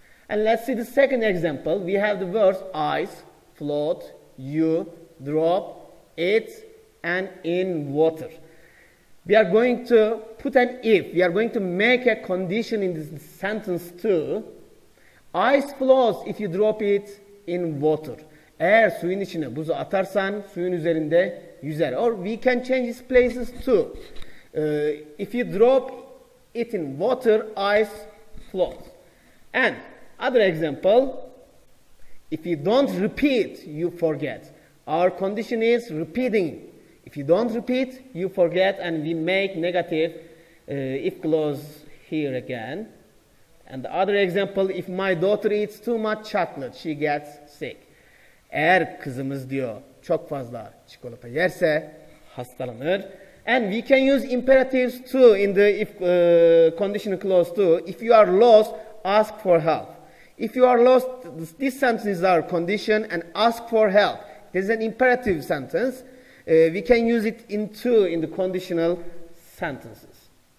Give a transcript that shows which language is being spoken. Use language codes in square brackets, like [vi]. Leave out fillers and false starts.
[en] And let's see the second example. We have the words ice, float, you, drop, it, and in water. We are going to put an if. We are going to make a condition in this sentence too. Ice flows if you drop it in water. [tr] Eğer suyun içine buzu atarsan suyun üzerinde yüzer. [en] Or we can change its places too. If you drop it in water, ice flows. And other example, if you don't repeat, you forget. Our condition is repeating. If you don't repeat, you forget, and we make negative if clause here again. And the other example, if my daughter eats too much chocolate, she gets sick. [tr] Eğer kızımız diyor çok fazla çikolata yerse hastalanır. [en] And we can use imperatives too in the if conditional clause too. If you are lost, ask for help. If you are lost, this sentence is our condition, and ask for help. This is an imperative sentence. We can use it in two in the conditional sentences.